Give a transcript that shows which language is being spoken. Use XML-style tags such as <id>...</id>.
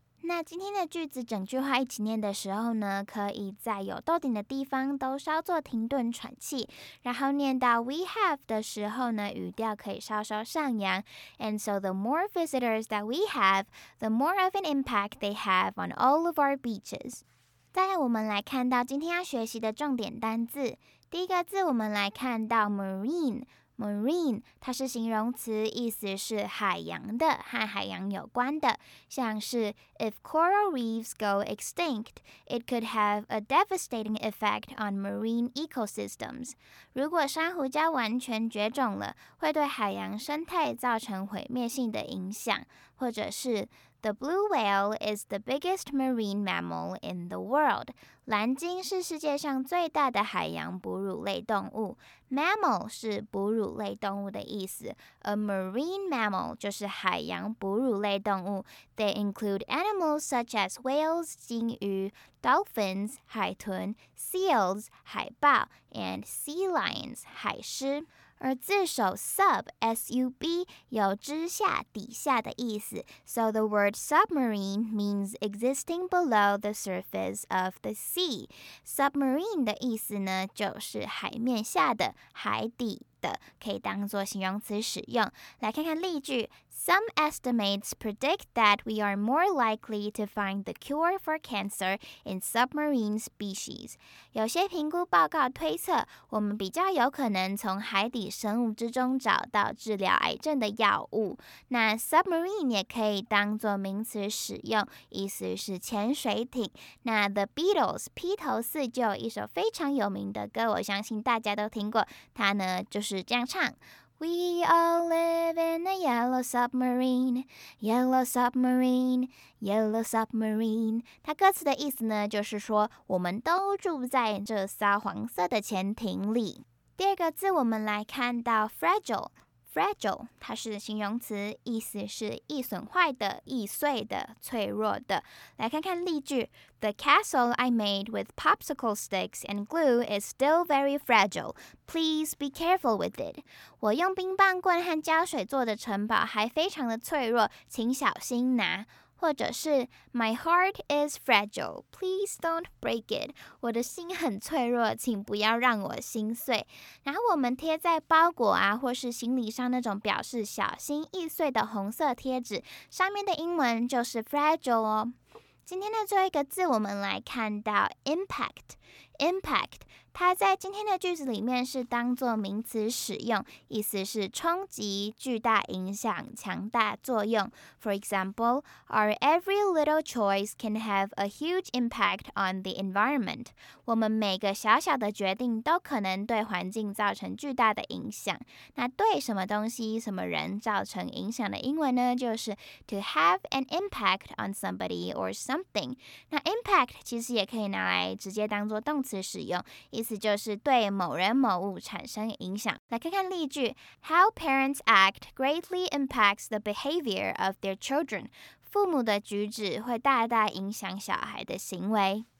<zh>那今天的句子整句话一起念的时候呢，可以在有逗点的地方都稍作停顿喘气，然后念到 we have 的时候呢，语调可以稍稍上扬。</zh> <en>And so the more visitors that we have, the more of an impact they have on all of our beaches.</en> <zh>再来我们来看到今天要学习的重点单字，第一个字我们来看到 marine, 它是形容词，意思是海洋的，和海洋有关的。像是</zh> <en>If coral reefs go extinct, it could have a devastating effect on marine ecosystems.</en> <zh>如果珊瑚礁完全绝种了，会对海洋生态造成毁灭性的影响。或者是</zh> <en>The blue whale is the biggest marine mammal in the world.</en> <zh>蓝鲸是世界上最大的海洋哺乳类动物。 Mammal 是哺乳类动物的意思， A marine mammal 就是海洋哺乳类动物。</zh> <en>They include animals such as whales, 鲸鱼， dolphins, 海豚， seals, 海豹， and sea lions, 海狮。</en> <zh>而字首 sub 有之下底下的意思，</zh> <en>So the word submarine means existing below the surface of the sea.</en> <zh>Submarine 的意思呢，就是海面下的，海底的，可以当作形容词使用。来看看例句，</zh> <en>Some estimates predict that we are more likely to find the cure for cancer in submarine species.</en> <zh>有些评估报告推测，我们比较有可能从海底生物之中找到治疗癌症的药物。那 submarine 也可以当作名词使用，意思是潜水艇。那 The Beatles 披头四就有一首非常有名的歌，我相信大家都听过，它呢就是这样唱，</zh> <en>We all live in a yellow submarine, yellow submarine, yellow submarine.</en> <zh>它歌词的意思呢，就是说我们都住在这艘黄色的潜艇里。第二个字我们来看到 fragile, 它是形容词，意思是易损坏的，易碎的，脆弱的。来看看例句，</zh> <en>The castle I made with popsicle sticks and glue is still very fragile. Please be careful with it.</en> <zh>我用冰棒棍和胶水做的城堡还非常的脆弱，请小心拿。或者是</zh> <en>My heart is fragile, please don't break it.</en> <zh>我的心很脆弱，请不要让我心碎。然后我们贴在包裹啊，或是行李上那种表示小心易碎的红色贴纸，上面的英文就是 fragile 哦。今天的最后一个字，我们来看到 impact。 impact 它在今天的句子里面是当作名词使用，意思是冲击、巨大影响、强大作用。</zh> <en>For example, our every little choice can have a huge impact on the environment.</en> <zh>我们每个小小的决定都可能对环境造成巨大的影响。那对什么东西、什么人造成影响的英文呢？就是</zh> <en>to have an impact on somebody or something.</en> <zh>那 impact 其实也可以拿来直接当作动词使用，意思就是对某人某物产生影响。来看看例句</zh> <en>，How parents act greatly impacts the behavior of their children。</en> <zh>父母的举止会大大影响小孩的行为。</zh>